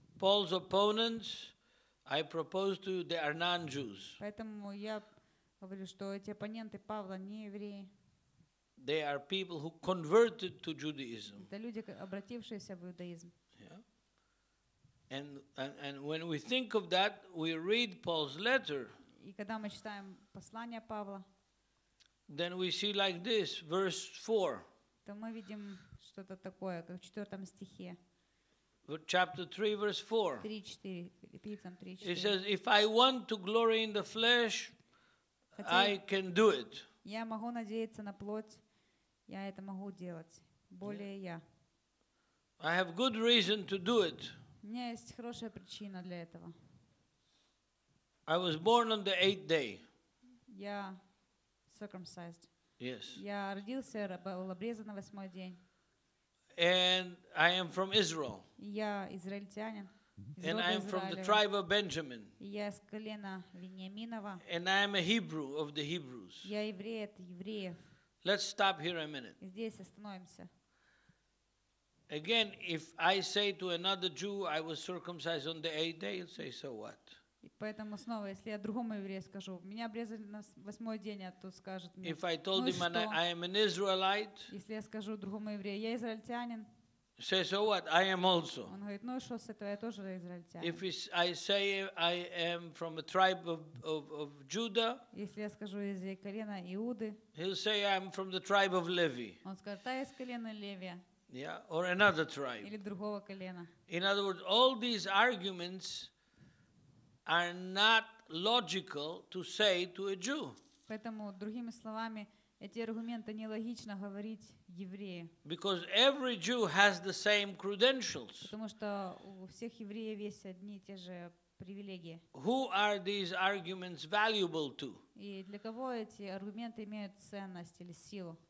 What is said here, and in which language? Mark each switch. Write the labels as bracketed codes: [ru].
[en] Paul's opponents, I propose to you, they are non-Jews. [ru] Поэтому я говорю, что эти оппоненты Павла не евреи. [en] They are people who converted to Judaism. [ru] Это люди, обратившиеся в иудаизм. [en] And when we think of that, we read Paul's letter. [ru] И когда мы читаем послание Павла, [en] then we see like this, verse 4. [ru] То мы видим что-то такое, как в 4 стихе. [en] Chapter 3, verse 4. 3:4. It says, if I want to glory in the flesh, I can do it. [ru] Я могу надеяться на плоть, я это могу делать. Более я. [en] I have good reason to do it. [ru] У меня есть хорошая причина для этого. [en] I was born on the eighth day. [ru] Я circumcised. [en] Yes. [ru] Я родился, был обрезан на восьмой день. [en] And I am from Israel. [ru] Я израильтянин. [en] And I am from the tribe of Benjamin. [ru] Я из колена Вениаминова. [en] And I am a Hebrew of the Hebrews. [ru] Я еврей от евреев. [en] Let's stop here a minute. [ru] Здесь остановимся. [en] Again, if I say to another Jew, I was circumcised on the eighth day, he'll say, so what? [ru] Поэтому снова, если я другому еврею скажу, меня обрезали на восьмой день, а тот скажет мне, [en] if I told him I am an Israelite, [ru] если я скажу другому еврею, я израильтянин, [en] say, so what? I am also. [ru] Он говорит, ну и что с этого, я тоже израильтянин. [en] If I say I am from a tribe of Judah, [ru] если я скажу из колена Иуды, [en] he'll say I am from the tribe of Levi. [ru] Он скажет, а я из колена Левия. [en] Yeah, or another tribe. [ru] Или другого колена. [en] In other words, all these arguments are not logical to say to a Jew. [ru] Поэтому другими словами, эти аргументы нелогично говорить еврею. [en] Because every Jew has the same credentials. [ru] Потому что у всех евреев есть одни и те же привилегии. [en] Who are these arguments valuable to? [ru] И для кого эти аргументы имеют ценность или силу?